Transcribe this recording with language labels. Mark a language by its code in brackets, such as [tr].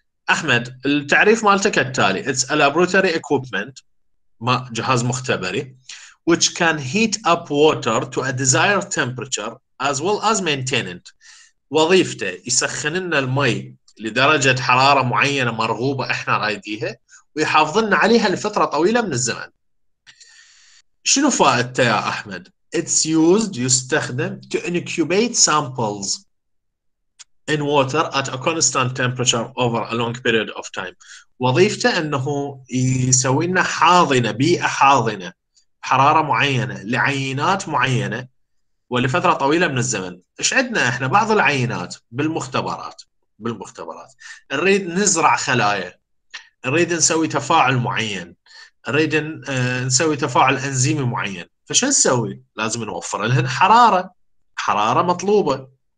[ar] احمد التعريف مالتك التالي: [en] It's a laboratory equipment، [ar] ما جهاز مختبري، [en] which can heat up water to a desired temperature as well as maintain it، [ar] وظيفته يسخن لنا المي لدرجه حراره معينه مرغوبه احنا رايديها ويحافظ لنا عليها لفتره طويله من الزمن. شنو فائدته يا أحمد؟ [en] It's used، [ar] يستخدم [en] to incubate samples in water at a constant temperature over a long period of time. [ar] وظيفته أنه يسوي لنا حاضنة، بيئة حاضنة حرارة معينة لعينات معينة ولفترة طويلة من الزمن. إيش عندنا إحنا؟ بعض العينات بالمختبرات نريد نزرع خلايا، نريد نسوي تفاعل معين، نريد نسوي تفاعل انزيمي معين، فشو نسوي؟ لازم نوفر لهن حراره، حراره مطلوبه.